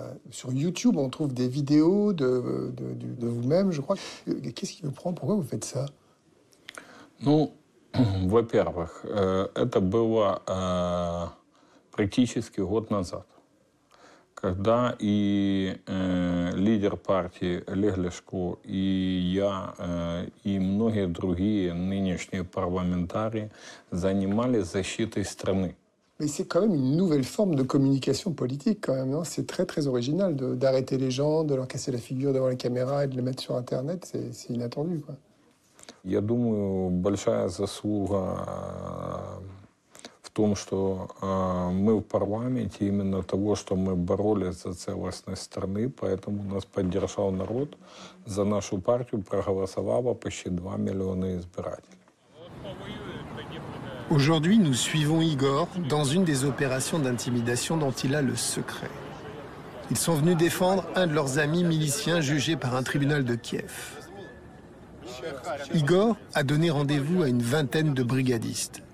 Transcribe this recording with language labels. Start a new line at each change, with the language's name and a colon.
French: Sur YouTube, on trouve des vidéos de vous-même, je crois. Qu'est-ce qui vous prend? Pourquoi vous faites ça?
Russian: Ну, во-первых, это было практически год назад, когда и лидер партии Леглешко, и я, и многие другие нынешние парламентарии занимались защитой страны.
French: Mais c'est quand même une nouvelle forme de communication politique, quand même. Non, c'est très, très original d'arrêter les gens, de leur casser la figure devant la caméra et de les mettre sur Internet. C'est inattendu, quoi.
Russian: Я думаю, большая заслуга в том, что мы в парламенте именно того, что мы боролись за целостность страны, поэтому нас поддержал народ, за нашу партию проголосовало почти 2 миллиона избирателей.
French: Aujourd'hui, nous suivons Igor dans une des opérations d'intimidation dont il a le secret. Ils sont venus défendre un de leurs amis miliciens jugé par un tribunal de Kiev. Igor a donné rendez-vous à une vingtaine de brigadistes.